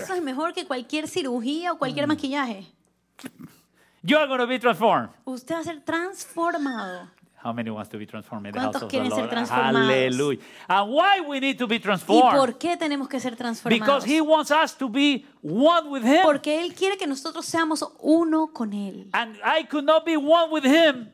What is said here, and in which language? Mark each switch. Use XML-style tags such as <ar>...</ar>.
<es>Eso es mejor que cualquier cirugía o cualquier maquillaje.</es> <en>You are going to be transformed.</en> <es>Usted va a ser transformado.</es> <en>How many wants to be transformed in the house of the Lord?</en> <es>Ser</es> <en>hallelujah. And why we need to be transformed?</en> <es>¿Y por qué tenemos que ser transformados?</es> <en>Because he wants us to be one with him.</en> <es>Porque él quiere que nosotros seamos uno con él.</es> <en>And I could not be one with him.</en>